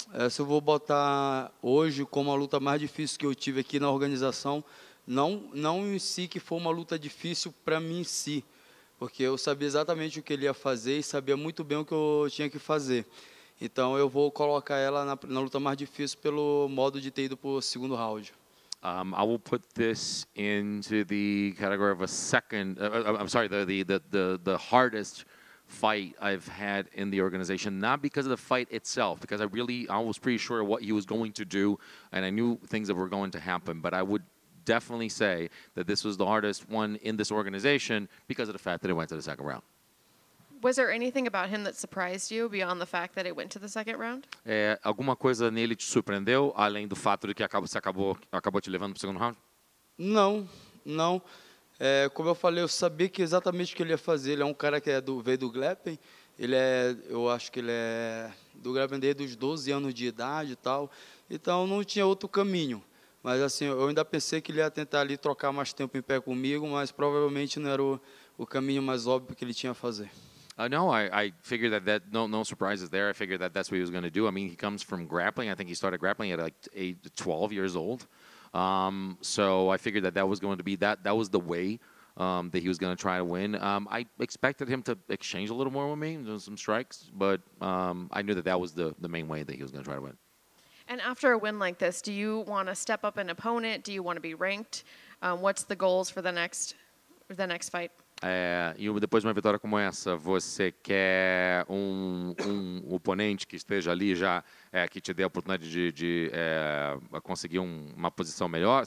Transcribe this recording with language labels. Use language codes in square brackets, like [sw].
[pt] Se eu vou botar hoje como a luta mais difícil que eu tive aqui na organização, não em si que foi uma luta difícil para mim em si, porque eu sabia exatamente o que ele ia fazer e sabia muito bem o que eu tinha que fazer. Então eu vou colocar ela na luta mais difícil pelo modo de ter ido para o segundo round. [en] I will put this into the category of a second. I'm sorry, the hardest fight I've had in the organization. Not because of the fight itself, because I was pretty sure what he was going to do, and I knew things that were going to happen. But I would definitely say that this was the hardest one in this organization because of the fact that it went to the second round. Was there anything about him that surprised you beyond the fact that it went to the second round? [pt] Alguma coisa nele te surpreendeu além do fato de que acabou te levando para o segundo round? Não. Como eu falei, eu sabia que exatamente o que ele ia fazer. Ele é um cara que veio do grappling. Eu acho que ele é do grappling desde os 12 anos de idade e tal. Então não tinha outro caminho. Mas assim, eu ainda pensei que ele ia tentar ali trocar mais tempo em pé comigo, mas provavelmente não era o caminho mais óbvio que ele tinha a fazer. [en] No, I figured that no surprises there. I figured that's what he was going to do. I mean, he comes from grappling. I think he started grappling at like 12 years old. So I figured that was going to be that was the way that he was going to try to win. I expected him to exchange a little more with me, do some strikes, but I knew that was the main way that he was going to try to win. And after a win like this, do you want to step up an opponent? Do you want to be ranked? What's the goals for the next fight? [pt] E depois de uma vitória como essa, você quer um oponente que esteja ali já, que te dê a oportunidade de conseguir uma posição melhor?